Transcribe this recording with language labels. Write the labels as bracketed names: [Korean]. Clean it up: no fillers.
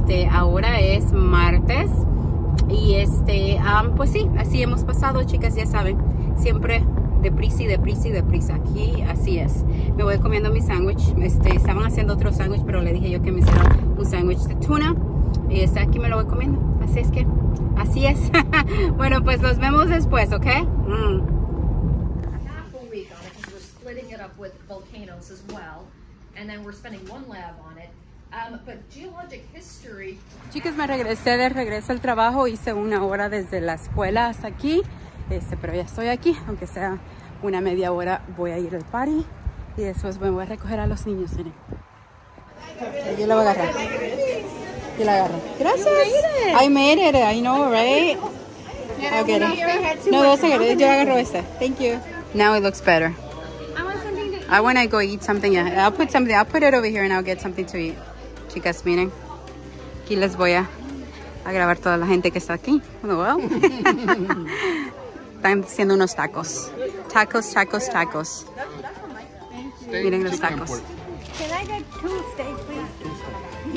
[Spanish] Ahora es martes y pues sí, así hemos pasado, chicas, ya saben, siempre deprisa y deprisa y deprisa. Aquí así es. Me voy comiendo mi sándwich. Estaban haciendo otro sándwich, pero le dije yo que me hiciera un sándwich de tuna. Y aquí me lo voy comiendo. Así es que, así es. Bueno, pues nos vemos después, ¿ok? [English] Half a week on it, because we're splitting it up with volcanoes as well. And then we're spending one lab on it. But geologic history. [Spanish] Chicas, me regresé de regreso al trabajo. Hice una hora desde la escuela hasta aquí. Pero ya estoy aquí, aunque sea una media hora, voy a ir al party y después me voy a recoger a los niños. Miren, yo la voy a agarrar. Yo la agarro. Gracias. [English] I made it. I know, right? I'll get it. No, that's okay. [Spanish] Yo agarro esta. [English] Thank you. Now it looks better. I want to go eat something. Yeah, I'll put something. I'll put it over here and I'll get something to eat. [Spanish] Chicas, miren, aquí les voy a grabar toda la gente que está aquí. Well. Están haciendo unos tacos. Tacos, tacos, tacos. Miren los tacos. [English] Can I get 2 steaks, please?